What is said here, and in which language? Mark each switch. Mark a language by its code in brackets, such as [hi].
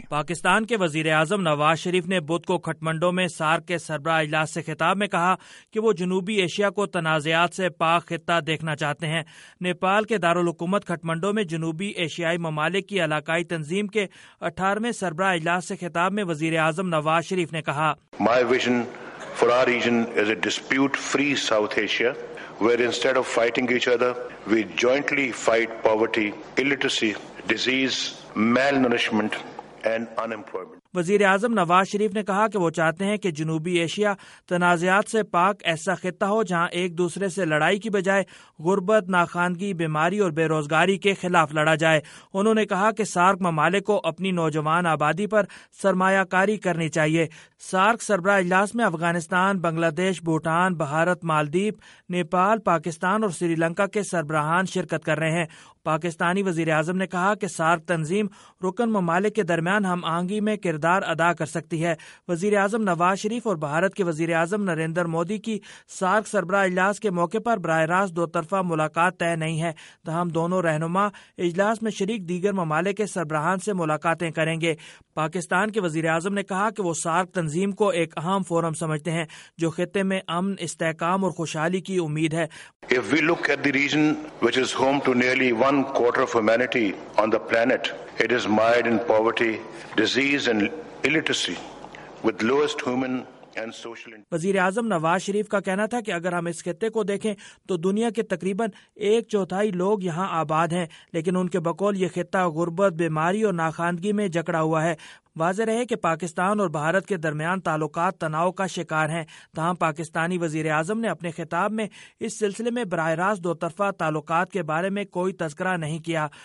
[ur] پاکستان کے وزیراعظم نواز شریف نے بدھ کو کھٹمنڈو میں سارک کے سربراہ اجلاس سے خطاب میں کہا کہ وہ جنوبی ایشیا کو تنازعات سے پاک خطہ دیکھنا چاہتے ہیں. نیپال کے دارالحکومت کھٹمنڈو میں جنوبی ایشیائی ممالک کی علاقائی تنظیم کے 18th سربراہ اجلاس سے خطاب میں وزیراعظم نواز شریف نے کہا، [en] My vision for our region is a dispute free South Asia where instead of fighting each other we jointly fight poverty, illiteracy, disease, malnourishment and unemployment. [ur] وزیر اعظم نواز شریف نے کہا کہ وہ چاہتے ہیں کہ جنوبی ایشیا تنازعات سے پاک ایسا خطہ ہو جہاں ایک دوسرے سے لڑائی کی بجائے غربت، ناخواندگی، بیماری اور بے روزگاری کے خلاف لڑا جائے. انہوں نے کہا کہ سارک ممالک کو اپنی نوجوان آبادی پر سرمایہ کاری کرنی چاہیے. سارک سربراہ اجلاس میں افغانستان، بنگلہ دیش، بھوٹان، بھارت، مالدیپ، نیپال، پاکستان اور سری لنکا کے سربراہان شرکت کر رہے ہیں. پاکستانی وزیر اعظم نے کہا کہ سارک تنظیم رکن ممالک کے درمیان ہم آہنگی میں کردار ادا کر سکتی ہے. وزیر اعظم نواز شریف اور بھارت کے وزیر اعظم نریندر مودی کی سارک سربراہ اجلاس کے موقع پر براہ راست دو طرفہ ملاقات طے نہیں ہے، تاہم دونوں رہنما اجلاس میں شریک دیگر ممالک کے سربراہان سے ملاقاتیں کریں گے. پاکستان کے وزیر اعظم نے کہا کہ وہ سارک تنظیم کو ایک اہم فورم سمجھتے ہیں جو خطے میں امن، استحکام اور خوشحالی کی امید ہے. [en] If we look at the region which is home to nearly 1/4 of humanity on the planet, it is mired in poverty, disease and illiteracy with lowest human and social. [ur] وزیر اعظم نواز شریف کا کہنا تھا کہ اگر ہم اس خطے کو دیکھیں تو دنیا کے تقریباً 1/4 لوگ یہاں آباد ہیں، لیکن ان کے بقول یہ خطہ غربت، بیماری اور ناخواندگی میں جکڑا ہوا ہے. واضح رہے کہ پاکستان اور بھارت کے درمیان تعلقات تناؤ کا شکار ہیں، تاہم پاکستانی وزیر اعظم نے اپنے خطاب میں اس سلسلے میں براہ راست دو طرفہ تعلقات کے بارے میں کوئی تذکرہ نہیں کیا.